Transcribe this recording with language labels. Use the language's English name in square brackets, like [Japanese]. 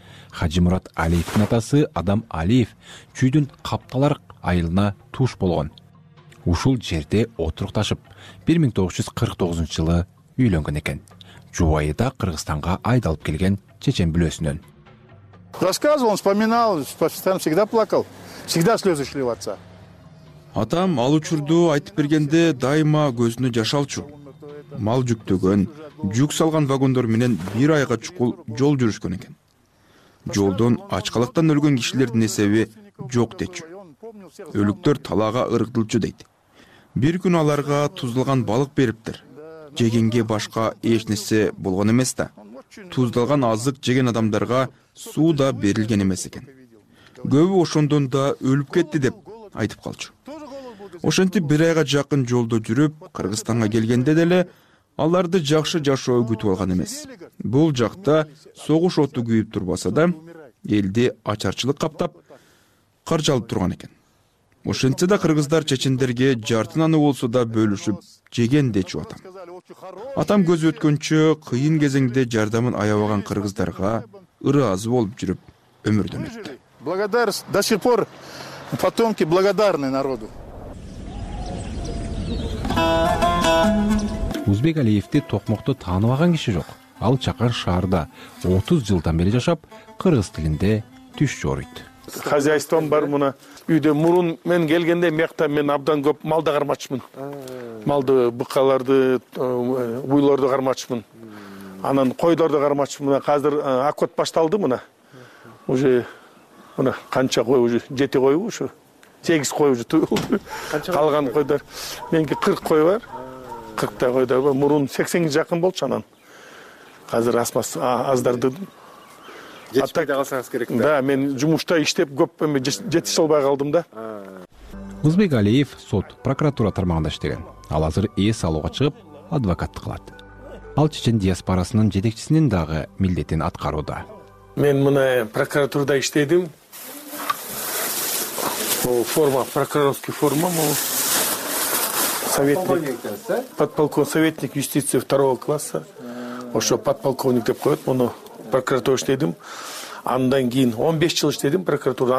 [Kyrgyz] Хажимурат Алиевдин атасы Адам Алиев Чүйдүн Капталар айылына туш болгон. Ушул жерде отурукташып, 1949 жылы үйлөнгөн экен. Жубайы да Кыргызстанга айдалып келген чечен бүлөсүнөн. [Russian] Рассказывал, вспоминал, постоянно всегда плакал, всегда слёзы шли у отца. [Kyrgyz] Атам ал учурду айтып бергенде дайыма көзүнө жаш алчу. Мал жүктөгөн, жүк салган вагондор менен бир айга чукул жол жүрүшкөн экен. Жолдон ачкалыктан өлгөн кишилердин эсеби жок дечү. Өлүктөр талаага ыргытылчу дейт. Бир күн аларга туздалган балык бериптир. Жегенге башка эч нерсе болгон эмес да. Туздалган азык жеген адамдарга суу да берилген эмес экен. Көбү ошондон да өлүп кетти деп айтып калчу. Ошентип бир айга жакын жолдо жүрүп, Кыргызстанга келгенде деле аларды жакшы жашоо күтүп алган эмес. Бул жакта согуш оту күйүп турбаса да, элди ачарчылык каптап, каржалып турган экен. Ошентсе да кыргыздар чечендерге жартын аны болсо да бөлүшүп жеген дечү атам. Атам көзү өткөнчө кыйын кезеңде жардамын аябаган кыргыздарга ыраазы болуп жүрүп өмүрдөн өттү. [Russian] Благодар до сих пор потомки благодарны народу. [Kyrgyz] Узбек Алиевди токмокто тааныбаган киши жок. Ал Чакан шаарында 30 жылдан бери жашап, кыргыз тилинде түш жоруйт. Хозяйством бар мына. Үйдө мурун мен келгенде мектеп мен абдан көп малды кармачмын. Малды, быкаларды, уйларды кармачмын. Анан койдорду кармачмын. Азыр акот башталды мына. Уже мына канча кой уже 7 кой ушу. 8 кой уже туулду. Калган койдор менки 40 кой бар. 40 та койдо бар. Мурун 80ге жакын болчу анан. Азыр аздарды. Жетишпей да калсаңыз керек да. Да, мен жумушта иштеп көп жетише албай калдым да. Узбек Алиев сот, прокуратура тармагында иштеген. Ал азыр эс алууга чыгып, адвокаттык кылат. Ал чечен диаспорасынын жетекчисинин дагы милдетин аткарууда. Мен мына прокуратурада иштедим. Бул форма, [Russian] прокурорский форма, [Kyrgyz] бул советник. [Russian] Подполковник советник юстиции 2 класса. [Kyrgyz] Ошо подполковник деп коёт муну. Прокуратура иштедим. Андан кийин 15 жыл иштедим прокуратурада.